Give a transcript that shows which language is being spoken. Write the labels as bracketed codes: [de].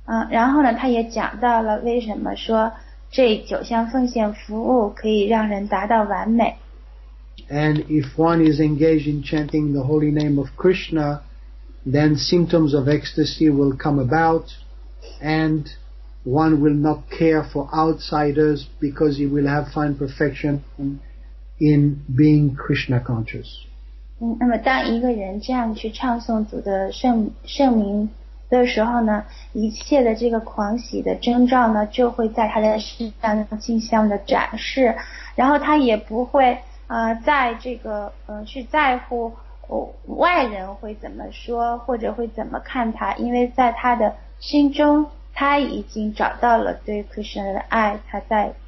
[zh] 然后呢他也讲到了为什么说这九项奉献服务可以让人达到完美 [en] and if one is engaged in chanting the holy name of Krishna then symptoms of ecstasy will come about and one will not care for outsiders because he will have found perfectionIn being Krishna conscious. [zh] 那么当一个人这样去唱诵主的圣名的时候呢，一切的这个狂喜的征兆呢，就会在他的身上镜像的展示，然后他也不会在这个去在乎外人会怎么说或者会怎么看他，因为在他的心中，他已经找到了对 Krishna 的爱，他在。